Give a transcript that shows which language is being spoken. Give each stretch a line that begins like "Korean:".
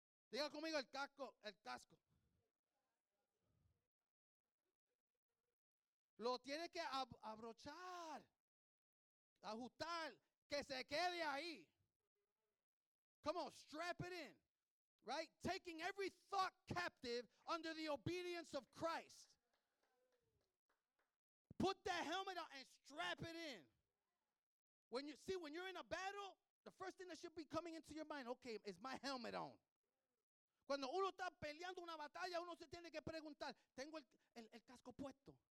Spanish: Diga conmigo el casco. Lo tiene que abrochar, ajustar, que se quede ahí.
English: Come on, strap it in, right? Taking every thought captive under the obedience of Christ. Put that helmet on and strap it in. When you're in a battle, the first thing that should be coming into your mind, okay, is my helmet on.
Spanish: Cuando uno está peleando una batalla, uno se tiene que preguntar, ¿tengo el casco puesto?